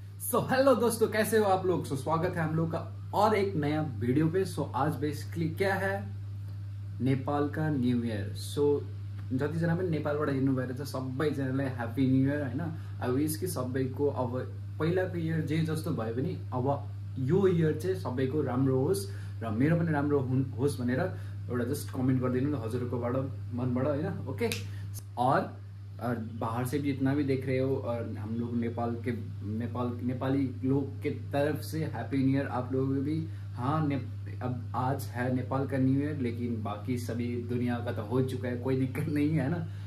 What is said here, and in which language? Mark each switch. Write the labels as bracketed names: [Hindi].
[Hindi] So hello दोस्तों, कैसे हो आप लोग। सो स्वागत है हम लोग का और एक नया वीडियो पे। सो आज बेसिकली क्या है, नेपाल का न्यू ईयर। [Nepali] सो जतिजना पनि नेपालबाट हिँड्नु भएर छ सबैजनालाई ह्याप्पी न्यू इयर होइन। [English] I wish [Nepali] कि सबैको अब पहिलाको इयर जे जस्तो भए पनि अब यो इयर चाहिँ सबैको राम्रो होस् र मेरो पनि राम्रो होस् भनेर एउटा जस्ट कमेन्ट गरिदिनु न हजुरहरूकोबाट मनबाट होइन। [Hindi] ओके, और बाहर से भी जितना भी देख रहे हो और हम लोग नेपाल के नेपाली लोग के तरफ से हैप्पी न्यू ईयर आप लोगों को भी। हाँ, अब आज है नेपाल का न्यू ईयर, लेकिन बाकी सभी दुनिया का तो हो चुका है, कोई दिक्कत नहीं है ना।